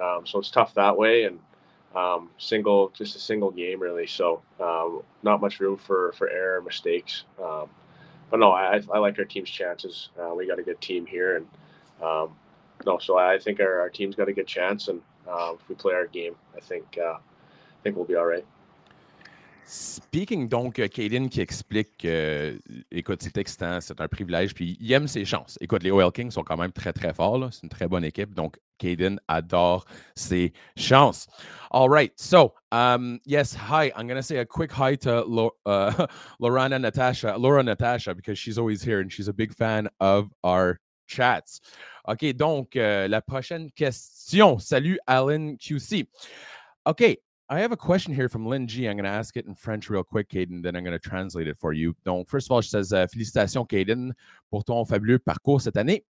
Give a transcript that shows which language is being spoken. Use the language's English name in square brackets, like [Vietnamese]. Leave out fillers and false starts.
[English] So it's tough that way, and just a single game, really. So not much room for error or mistakes. But no, I like our team's chances. We got a good team here, and I think our team's got a good chance, and if we play our game, I think we'll be all right. [French] Speaking donc, Caden qui explique que, écoute, c'est excitant, c'est un privilège, puis il aime ses chances. Écoute, les OL Kings sont quand même très, très forts, là. C'est une très bonne équipe, donc Caden adore ses chances. [English] All right, so, yes, hi, I'm going to say a quick hi to Laura Natasha, because she's always here and she's a big fan of our chats. [French] OK, donc, la prochaine question. Salut, Alan QC. [English] OK, I have a question here from Lynn G. I'm going to ask it in French real quick, Caden, then I'm going to translate it for you. [French] Donc, [English] first of all, she says, [French] félicitations, Caden, pour ton fabuleux parcours cette année.